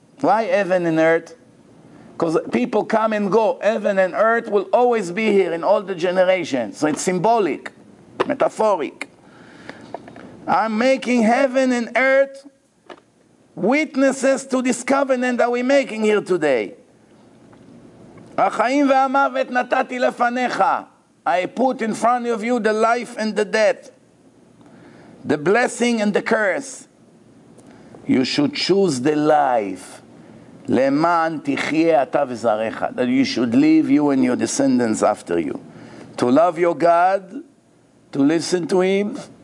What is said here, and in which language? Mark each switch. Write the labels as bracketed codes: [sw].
[en] Why heaven and earth? Because people come and go. Heaven and earth will always be here in all the generations. So it's symbolic, metaphoric. I'm making heaven and earth witnesses to this covenant that we're making here today. [he] החיים והמוות נתתי לפניך. [en] I put in front of you the life and the death. The blessing and the curse. You should choose the life. [he] למען תחיה אתה וזרעך. [en] That you should leave you and your descendants after you. To love your God. To listen to him.